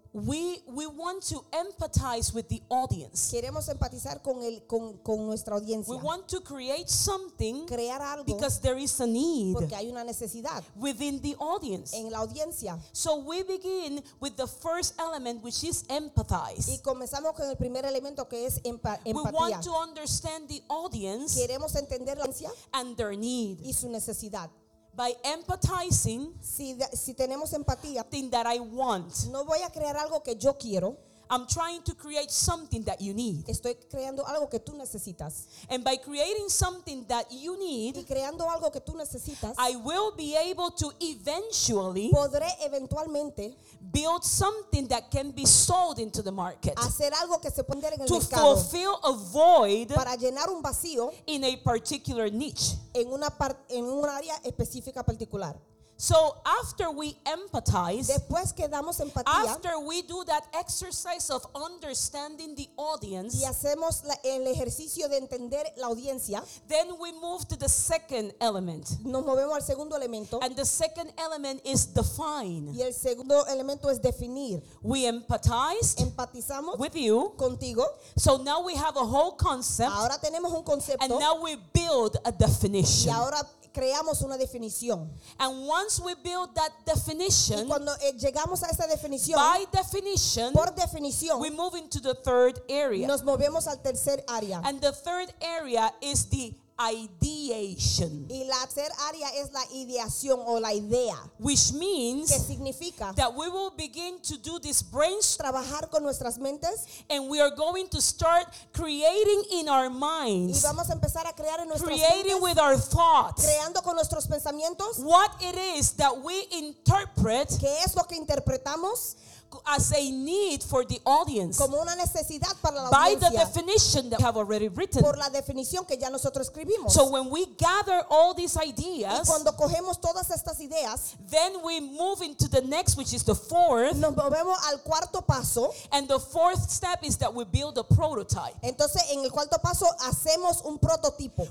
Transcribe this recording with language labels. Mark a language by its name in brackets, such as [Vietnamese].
[English] We want to empathize with the audience. [Spanish] Queremos empatizar con el con nuestra audiencia. [English] We want to create something, [Spanish] crear algo, [English] because there is a need, [Spanish] porque hay una necesidad, [English] within the audience, [Spanish] en la audiencia. [English] So we begin with the first element, which is empathize. [Spanish] Y comenzamos con el primer elemento que es empatía. [English] We want to understand the audience, [Spanish] queremos entender la audiencia, [English] and their need, [Spanish] y su necesidad. [English] By empathizing, [Spanish] si tenemos empatía, [English] thing that I want, [Spanish] no voy a crear algo que yo quiero. [English] I'm trying to create something that you need. [Spanish] Estoy creando algo que tú necesitas. [English] And by creating something that you need, [Spanish] y creando algo que tú necesitas, [English] I will be able to eventually, [Spanish] podré eventualmente, [English] build something that can be sold into the market. [Spanish] Hacer algo que se puede vender en el [English] to [Spanish] mercado, [English] fulfill a void, [Spanish] para llenar un vacío, [English] in a particular niche. [Spanish] En un área específica particular. [English] So after we empathize, [Spanish] después que damos empatía, [English] after we do that exercise of understanding the audience, [Spanish] y hacemos el ejercicio de entender la audiencia, [English] then we move to the second element. [Spanish] Nos movemos al segundo elemento, [English] and the second element is define. [Spanish] Y el segundo elemento es definir. [English] We empathize, [Spanish] empatizamos [English] with you, [Spanish] contigo. [English] So now we have a whole concept, [Spanish] ahora tenemos un concepto, [English] and now we build a definition. [Spanish] Y ahora creamos una definición. [English] And once we build that definition, [Spanish] y cuando llegamos a esa definición, [English] by definition, [Spanish] por definición, [English] we move into the third area. [Spanish] Nos movemos al tercer área. [English] And the third area is the ideation. [Spanish] Y la tercera área es la ideación o la idea. [English] Which means, [Spanish] que significa, [English] that we will begin to do this brainstorm, [Spanish] trabajar con nuestras mentes, [English] and we are going to start creating in our minds. [Spanish] Y vamos a empezar a crear en nuestras [English] mentes. Creating with our thoughts. [Spanish] Creando con nuestros pensamientos. [English] What it is that we interpret, [Spanish] ¿qué es lo que interpretamos? [English] As a need for the audience, [Spanish] como una necesidad para la [English] by [Spanish] audiencia, [English] the definition that we have already written. [Spanish] Por la definición que ya nosotros escribimos. [English] So when we gather all these ideas, [Spanish] y cuando cogemos todas estas ideas, [English] then we move into the next, which is the fourth. [Spanish] Nos movemos al cuarto paso, [English] and the fourth step is that we build a prototype. [Spanish] Entonces, en el cuarto paso, hacemos un prototipo.